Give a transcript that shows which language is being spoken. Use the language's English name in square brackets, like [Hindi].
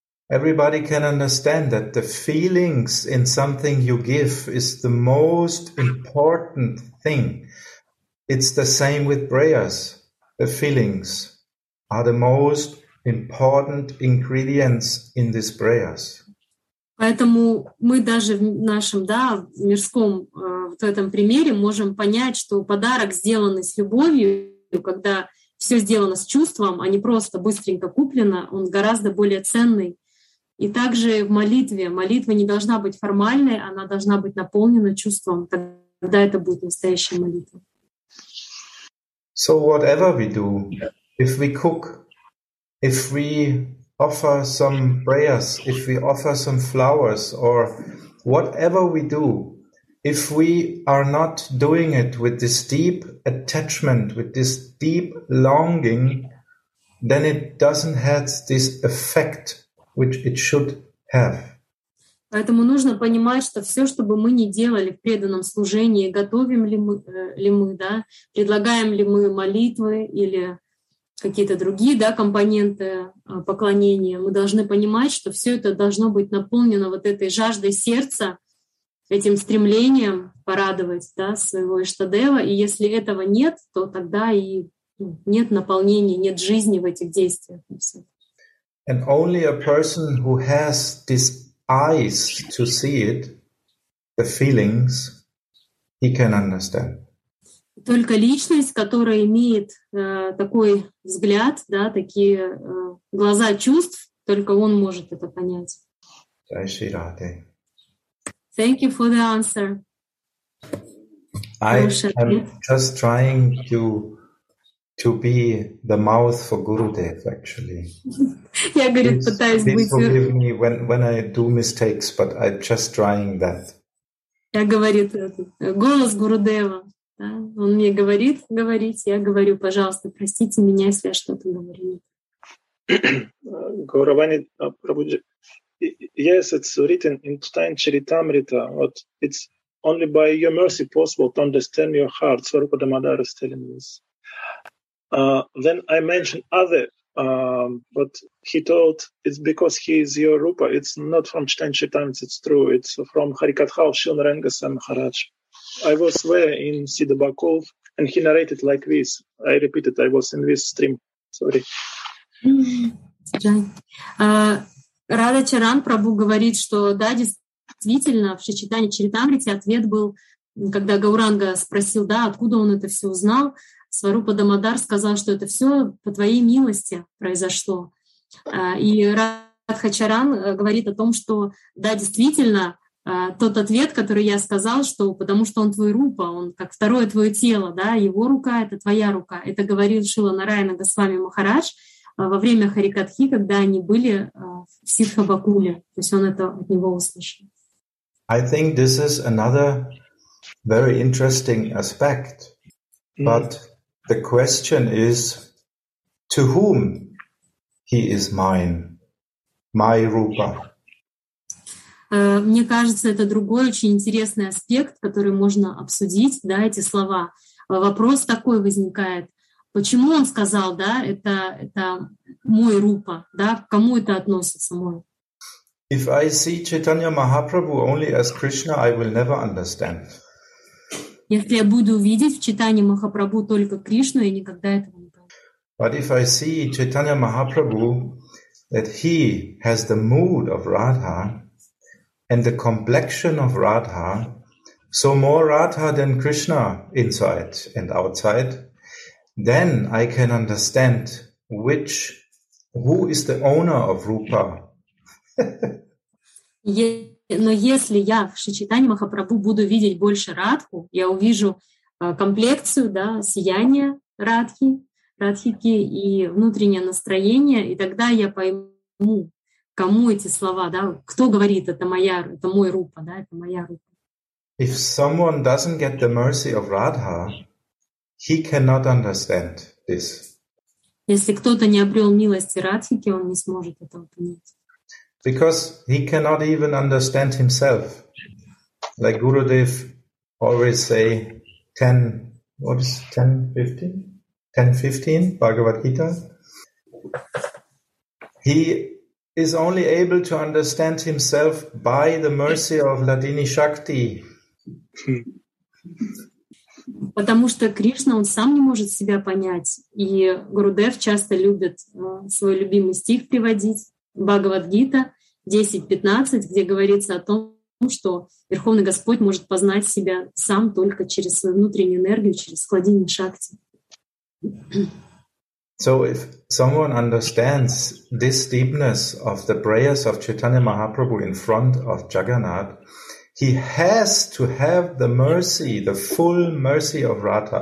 [English] Everybody can understand that the feelings in something you give is the most important thing. It's the same with prayers. The feelings are the most important ingredients in these prayers. [Russian] Поэтому мы даже в нашем, да, в мирском в этом примере можем понять, что подарок сделанный с любовью, когда все сделано с чувством, а не просто быстренько куплено, он гораздо более ценный. И также в молитве. Молитва не должна быть формальной, она должна быть наполнена чувством. Тогда это будет настоящая молитва. [English] So whatever we do, if we cook, if we offer some prayers, if we offer some flowers, or whatever we do, if we are not doing it with this deep attachment, with this deep longing, then it doesn't have this effect which it should have. [Russian] Поэтому нужно понимать, что все, что бы мы ни делали в преданном служении, готовим ли мы, да, предлагаем ли мы молитвы или какие-то другие, да, компоненты поклонения. Мы должны понимать, что все это должно быть наполнено вот этой жаждой сердца, этим стремлением порадовать, да, своего Иштадева. И если этого нет, то тогда и нет наполнения, нет жизни в этих действиях. [English] And only a person who has these eyes to see it, the feelings, he can understand. [Russian] Только личность, которая имеет такой взгляд, да, такие глаза чувств, только он может это понять. [Hindi] Jai Shri Radhe. [English] Thank you for the answer. I am just trying to be the mouth for Gurudev, actually. [Russian] Я говорю, пытаюсь быть. [English] Please forgive me when I do mistakes, but I'm just trying that. [Russian] Я говорит этот голос Гурудева, да? Он мне говорит говорить, я говорю, пожалуйста, простите меня, если я что-то говорю. [English] Гуравани Прабуджи. Yes, it's written in Tutan Charitamrita. [Russian] Вот, [English] it's only by your mercy possible to understand your heart. Сварупа Дамодара is telling this. Then I mentioned other, but he told it's because he is your Rupa. It's not from Chaitanya Charitamrita, it's true. It's from Harikatha of Shilna Rangasa Maharaj. I was there in Siddha Bhakov, and he narrated like this. I repeat it, I was in this stream. Sorry. [Russian] Рада Чаран Прабу говорит, что да, действительно, в Шичитане Чаритамрите ответ был, когда Гауранга спросил, да, откуда он это все узнал, Сварупа Дамодар сказал, что это все по твоей милости произошло. И Радха Чаран говорит о том, что да, действительно, тот ответ, который я сказал, что потому что он твой рупа, он как второе твое тело, да, его рука — это твоя рука. Это говорил Шрила Нараяна Госвами Махарадж во время Харикатхи, когда они были в Ситхабакуле. То есть он это от него услышал. [English] I think this is another very interesting aspect. But the question is, to whom he is mine, my Rupa? [Russian] Мне кажется, это другой очень интересный аспект, который можно обсудить, да, эти слова. Вопрос такой возникает. Почему он сказал, да, это мой Рупа, да, к кому это относится мой? [English] If I see Chaitanya Mahaprabhu only as Krishna, I will never understand. [Russian] Если я буду видеть в читании Махапрабху только Кришну, я никогда этого не понял. [English] But if I see Chaitanya Mahaprabhu, that he has the mood of Radha and the complexion of Radha, so more Radha than Krishna inside and outside, then I can understand which, who is the owner of Rupa. [Russian] Но если я в Шичитане Махапрабху буду видеть больше Радху, я увижу комплекцию, да, сияние Радхи, Радхики и внутреннее настроение, и тогда я пойму, кому эти слова, да, кто говорит, это мой Рупа, да, это моя Рупа. [English] If someone doesn't get the mercy of Radha, he cannot understand this. [Russian] Если кто-то не обрел милости Радхики, он не сможет этого понять. [English] Because he cannot even understand himself. Like Gurudev always say, 10:15 Bhagavad Gita. He is only able to understand himself by the mercy of Ladini Shakti. [Russian] Потому что Кришна, он сам не может себя понять. И Гурудев часто любит свой любимый стих приводить, Бхагавад Гита, 10:15, где говорится о том, что Верховный Господь может познать себя сам только через свою внутреннюю энергию, через складини шакти. [English] So if someone understands this deepness of the prayers of Chaitanya Mahaprabhu in front of Jagannath, he has to have the mercy, the full mercy of Radha.